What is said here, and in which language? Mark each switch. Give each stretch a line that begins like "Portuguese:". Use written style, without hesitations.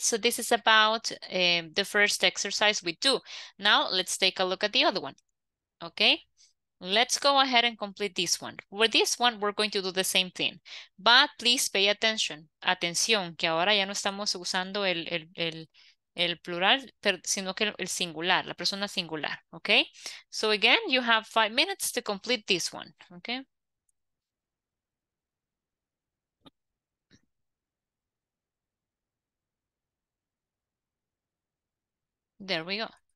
English: So this is about the first exercise we do. Now let's take a look at the other one. Okay, let's go ahead and complete this one. With this one, we're going to do the same thing. But please pay attention.
Spanish: Atención, que ahora ya no estamos usando el plural, sino que el singular, la persona singular.
English: Okay, so again, you have 5 minutes to complete this one. Okay. There we go.